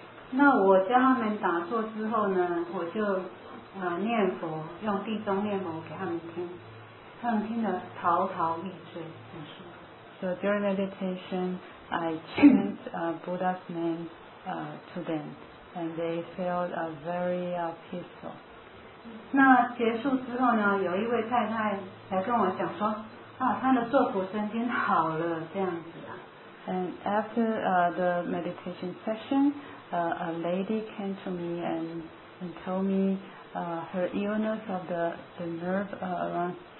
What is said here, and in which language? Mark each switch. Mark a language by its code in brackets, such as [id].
[zh] 那我教他们打坐之后呢，我就念佛，用地藏念佛给他们听。 [en] So during meditation, I chant Buddha's name to them, and they felt very peaceful. [zh] 那结束之后呢，有一位太太来跟我讲说，啊，她的坐骨神经好了，这样子啊。 [en] And after the meditation session, a lady came to me and told me her illness of the nerve around.